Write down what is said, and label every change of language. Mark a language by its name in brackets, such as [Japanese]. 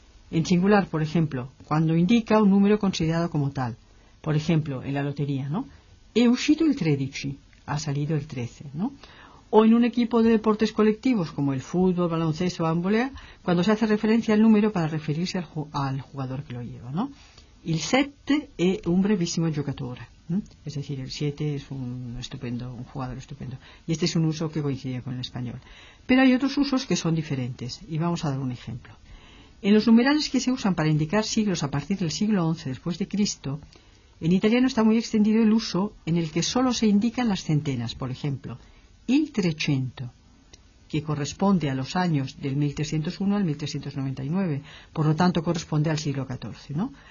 [Spanish] En singular, por ejemplo, cuando indica un número considerado como tal. Por ejemplo, en la lotería, ¿no? [Italian] He uscito il 13, [Spanish] ha salido el 13, ¿no? O en un equipo de deportes colectivos, como el fútbol, baloncesto o handball, cuando se hace referencia al número para referirse al jugador que lo lleva, ¿no? [Italian] Il 7 è un brevissimo giocatore, ¿eh? [Spanish] Es decir, el 7 es un jugador estupendo. Y este es un uso que coincide con el español. Pero hay otros usos que son diferentes, y vamos a dar un ejemplo. En los numerales que se usan para indicar siglos a partir del siglo XI después de Cristo, en italiano está muy extendido el uso en el que solo se indican las centenas, por ejemplo, il 300, que corresponde a los años del 1301 al 1399, por lo tanto corresponde al siglo XIV, ¿no?